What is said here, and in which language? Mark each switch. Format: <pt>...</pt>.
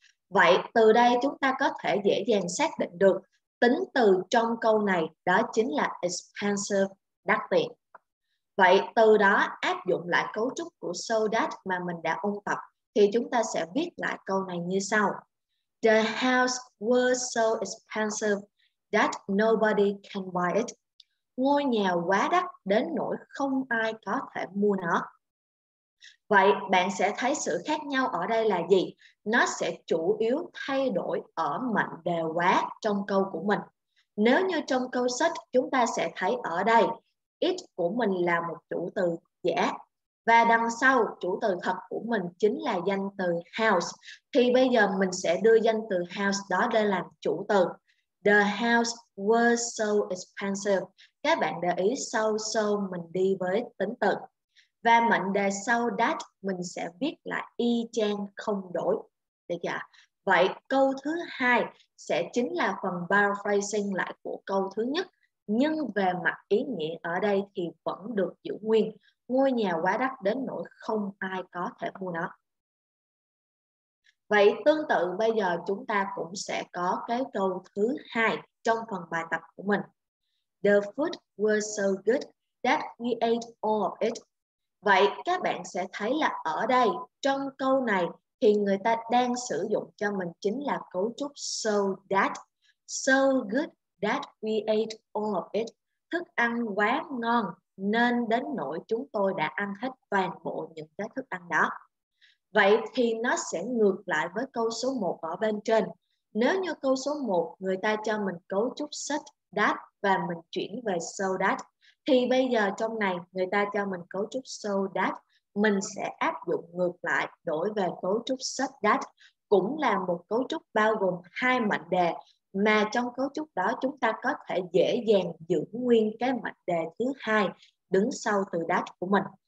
<vi>Vậy từ đây chúng ta có thể dễ dàng xác định được tính từ trong câu này đó chính là expensive, đắt tiền. Vậy từ đó áp dụng lại cấu trúc của so that mà mình đã ôn tập thì chúng ta sẽ viết lại câu này như sau.</vi> <en>The house was so expensive that nobody can buy it.</en> <vi>Ngôi nhà quá đắt đến nỗi không ai có thể mua nó. Vậy bạn sẽ thấy sự khác nhau ở đây là gì? Nó sẽ chủ yếu thay đổi ở mệnh đề quá trong câu của mình. Nếu như trong câu sách chúng ta sẽ thấy ở đây it của mình là một chủ từ giả và đằng sau chủ từ thật của mình chính là danh từ house, thì bây giờ mình sẽ đưa danh từ house đó để làm chủ từ.</vi> <en>The house was so expensive.</en> <vi>Các bạn để ý sau so mình đi với tính từ. Và mệnh đề sau that mình sẽ viết là y chang không đổi. Được chưa? Vậy câu thứ hai sẽ chính là phần paraphrasing lại của câu thứ nhất. Nhưng về mặt ý nghĩa ở đây thì vẫn được giữ nguyên. Ngôi nhà quá đắt đến nỗi không ai có thể mua nó. Vậy tương tự bây giờ chúng ta cũng sẽ có cái câu thứ hai trong phần bài tập của mình.</vi> <en>The food was so good that we ate all of it.</en> <vi>Vậy các bạn sẽ thấy là ở đây trong câu này thì người ta đang sử dụng cho mình chính là cấu trúc so that.</vi> <en>So good that we ate all of it.</en> <vi>Thức ăn quá ngon nên đến nỗi chúng tôi đã ăn hết toàn bộ những cái thức ăn đó. Vậy thì nó sẽ ngược lại với câu số 1 ở bên trên. Nếu như câu số 1 người ta cho mình cấu trúc such that và mình chuyển về so that, thì bây giờ trong này người ta cho mình cấu trúc so that, mình sẽ áp dụng ngược lại đổi về cấu trúc such that, cũng là một cấu trúc bao gồm hai mệnh đề mà trong cấu trúc đó chúng ta có thể dễ dàng giữ nguyên cái mệnh đề thứ hai đứng sau từ that của mình.</vi>